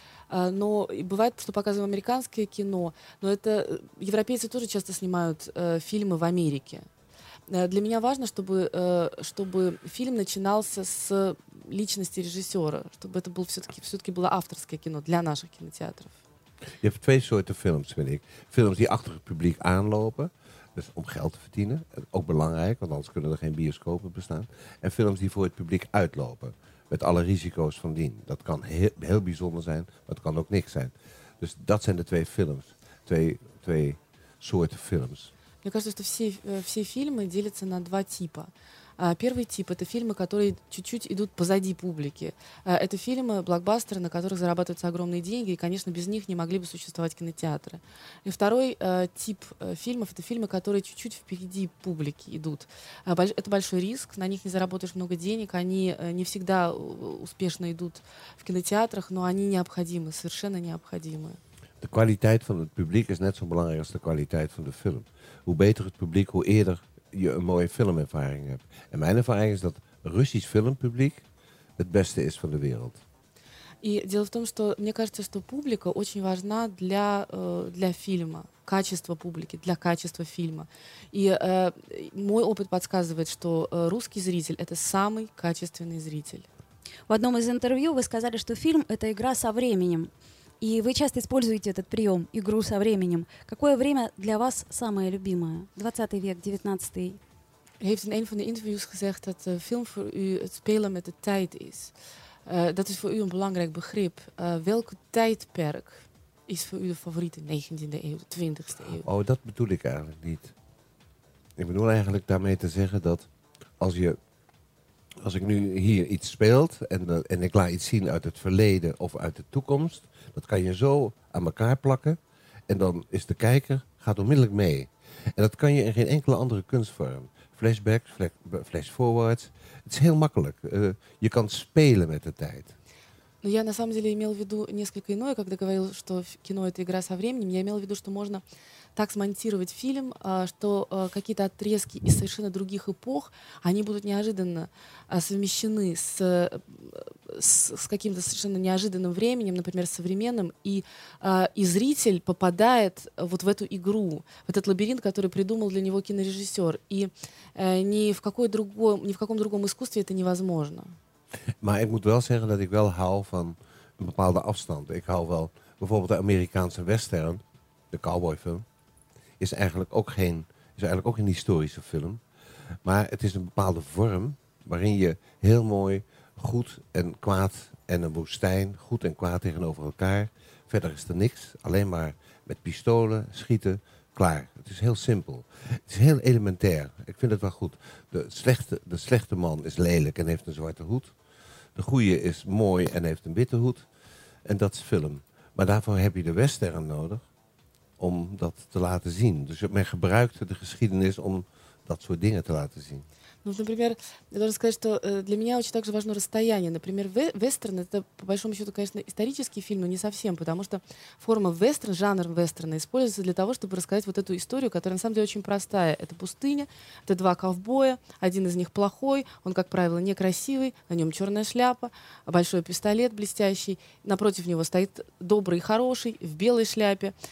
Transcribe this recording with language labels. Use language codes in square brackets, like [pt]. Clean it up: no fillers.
[ru] Но бывает, что показываем американское кино, но это европейцы тоже часто снимают фильмы в Америке. Для меня важно, чтобы фильм начинался с личности режиссера, чтобы это было все-таки было авторское кино для наших кинотеатров. [nl] Je hebt twee soorten films, vind ik. Films die achter het publiek aanlopen, dus om geld te verdienen. Ook belangrijk, want anders kunnen er geen bioscopen bestaan. En films die voor het publiek uitlopen, met alle risico's van dien. Dat kan heel bijzonder zijn, maar het kan ook niks zijn. Dus dat zijn de twee films, twee soorten films. [ru] Мне кажется, что все фильмы делятся на два типа. Первый тип – это фильмы, которые чуть-чуть идут позади публики. Это фильмы, блокбастеры, на которых зарабатываются огромные деньги, и, конечно, без них не могли бы существовать кинотеатры. И второй тип фильмов – это фильмы, которые чуть-чуть впереди публики идут. Это большой риск, на них не заработаешь много денег, они не всегда успешно идут в кинотеатрах, но они необходимы, совершенно необходимы. [nl] De kwaliteit van het publiek is net zo belangrijk als de kwaliteit van de film. Hoe beter het publiek, hoe eerder je een mooie filmervaring hebt. En mijn ervaring is dat Russisch filmpubliek het beste is van de wereld. [ru] И дело в том, что мне кажется, что публика очень важна для фильма, качество публики, для качества фильма. И мой опыт подсказывает, что русский зритель – это самый качественный зритель. В одном из интервью вы сказали, что фильм – это игра со временем. И вы часто используете этот прием, игру со временем. Какое время для вас самое любимое? 20 век, 19-й? [nl] Er heeft in een van de interviews gezegd dat film voor u het spelen met de tijd is. Dat is voor u een belangrijk begrip. Welk tijdperk is voor u de favoriete 19e eeuw, de 20e eeuw? Oh, dat bedoel ik eigenlijk niet. Ik bedoel eigenlijk daarmee te zeggen dat als ik nu hier iets speel en ik laat iets zien uit het verleden of uit de toekomst, dat kan je zo aan elkaar plakken en dan is de kijker, gaat onmiddellijk mee. En dat kan je in geen enkele andere kunstvorm. Flashbacks, flashforwards, het is heel makkelijk. Je kan spelen met de tijd. [ru] Но я на самом деле имел в виду несколько иное, когда говорил, что кино – это игра со временем. Я имел в виду, что можно так смонтировать фильм, что какие-то отрезки из совершенно других эпох, они будут неожиданно совмещены с каким-то совершенно неожиданным временем, например, современным, и зритель попадает вот в эту игру, в этот лабиринт, который придумал для него кинорежиссер. И ни в каком другом искусстве это невозможно. [nl] Maar ik moet wel zeggen dat ik wel hou van een bepaalde afstand. Ik hou wel, bijvoorbeeld de Amerikaanse western, de cowboyfilm, is eigenlijk ook een historische film. Maar het is een bepaalde vorm waarin je heel mooi goed en kwaad en een woestijn, goed en kwaad tegenover elkaar. Verder is er niks, alleen maar met pistolen, schieten, klaar. Het is heel simpel. Het is heel elementair. Ik vind het wel goed. De slechte man is lelijk en heeft een zwarte hoed. De goede is mooi en heeft een witte hoed. En dat is film. Maar daarvoor heb je de western nodig om dat te laten zien. Dus men gebruikt de geschiedenis om dat soort dingen te laten zien. [ru] Ну, например, я должен сказать, что для меня очень также важно расстояние. Например, вестерн – это, по большому счету, конечно, исторический фильм, но не совсем, потому что форма вестерн, жанр вестерна используется для того, чтобы рассказать вот эту историю, которая на самом деле очень простая. Это пустыня, это два ковбоя, один из них плохой, он, как правило, некрасивый, на нем черная шляпа, большой пистолет блестящий, напротив него стоит добрый и хороший в белой шляпе.